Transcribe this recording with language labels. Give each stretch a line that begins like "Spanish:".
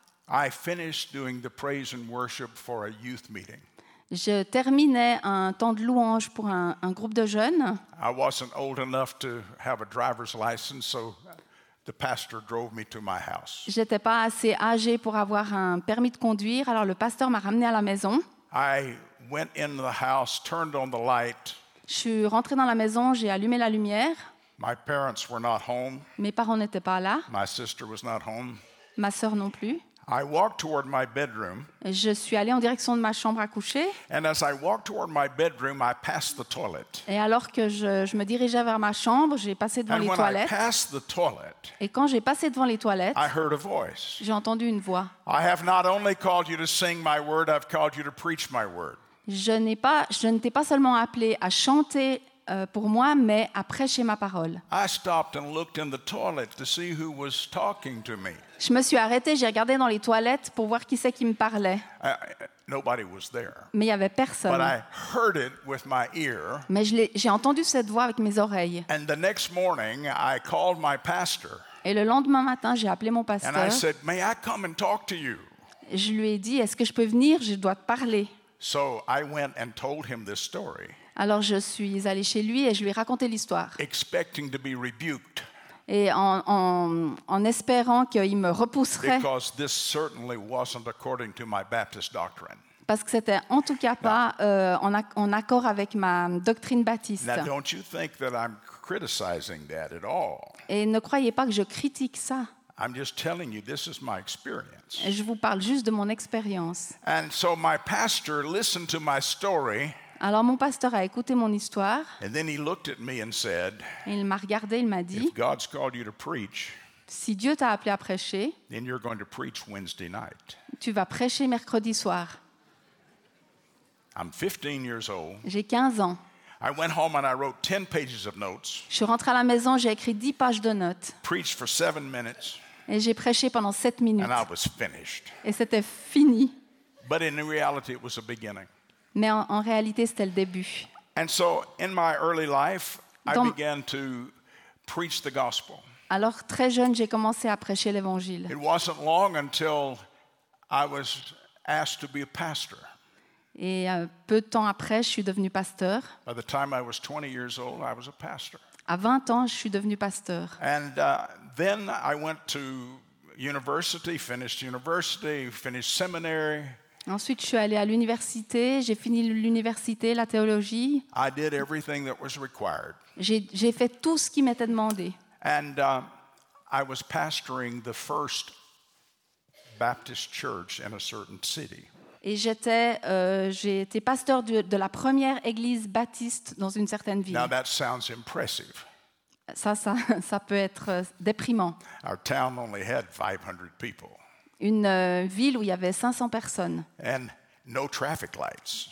English: I finished doing the praise and worship for a youth meeting.
French: Je terminais un temps de louange pour un groupe de jeunes.
English: I wasn't old enough to have a driver's license, so the pastor drove me to my house.
French: J'étais pas assez âgé pour avoir un permis de conduire, alors le pasteur m'a ramené à la maison.
English: I went in the house, turned on the light.
French: Je suis rentré dans la maison, j'ai allumé la lumière.
English: My parents were not home.
French: Mes parents n'étaient pas là.
English: My sister was not home.
French: Ma sœur non plus.
English: I walked toward my bedroom.
French: Je suis allé en direction de ma chambre à coucher.
English: And as I walked toward my bedroom, I passed the toilet.
French: Et alors que je me dirigeais vers ma chambre, j'ai passé devant
English: and
French: les toilettes.
English: I passed the toilet,
French: et quand j'ai passé devant les toilettes,
English: I heard a voice.
French: J'ai entendu une voix.
English: I have not only called you to sing my word, I've called you to preach my word.
French: Je ne t'ai pas seulement appelé à chanter pour moi, mais à prêcher ma parole.
English: I stopped and looked in the toilet to see who was talking to me.
French: Je me suis arrêté, j'ai regardé dans les toilettes pour voir qui c'est qui me parlait.
English: Nobody was there.
French: Mais il n'y avait personne.
English: But I heard it with my ear.
French: Mais j'ai entendu cette voix avec mes oreilles.
English: And the next morning, I called my pastor.
French: Et le lendemain matin, j'ai appelé mon pasteur.
English: And I said, "May I come and talk to you?"
French: Je lui ai dit, est-ce que je peux venir? Je dois te parler.
English: So I went and told him this story.
French: Alors je suis allé chez lui et je lui ai raconté l'histoire.
English: Expecting to be rebuked.
French: Et en espérant qu'il me repousserait. Parce que c'était en tout cas pas en accord avec ma doctrine baptiste.
English: Now, don't you think that I'm criticizing that at all?
French: Et ne croyez pas que je critique ça.
English: I'm just telling you, this is my experience.
French: Je vous parle juste de mon expérience.
English: And so my pastor listened to my story.
French: Alors mon pasteur a écouté mon histoire.
English: And then he looked at me and said,
French: il m'a regardé, il m'a dit,
English: if God's called you to preach,
French: si Dieu t'a appelé à prêcher,
English: then you're going to preach Wednesday night.
French: Tu vas prêcher mercredi soir.
English: I'm 15 years old.
French: J'ai 15 ans.
English: I went home and I wrote 10 pages of notes.
French: Je suis rentré à la maison, j'ai écrit 10 pages de notes.
English: Preached for 7 minutes.
French: Et j'ai prêché pendant 7 minutes.
English: And I was finished.
French: Et c'était fini.
English: But in reality, it was a beginning.
French: Mais en réalité, c'était le début.
English: And so, in my early life, I began to preach the gospel.
French: Alors, très jeune, j'ai commencé à prêcher l'évangile.
English: It wasn't long until I was asked to be a pastor.
French: Et peu de temps après, je suis devenu pasteur.
English: By the time I was 20 years old, I was a pastor.
French: À 20 ans, je suis devenu pasteur.
English: And then I went to university, finished seminary.
French: Ensuite, je suis allé à l'université, j'ai fini l'université, la théologie.
English: I did everything that was required.
French: J'ai fait tout ce qui m'était demandé.
English: And I was pastoring the first Baptist church in a certain city.
French: Et j'ai été pasteur de la première église baptiste dans une certaine ville.
English: Now that sounds impressive.
French: Ça peut être déprimant.
English: Our town only had 500 people.
French: Une ville où il y avait 500 personnes.
English: And no traffic lights.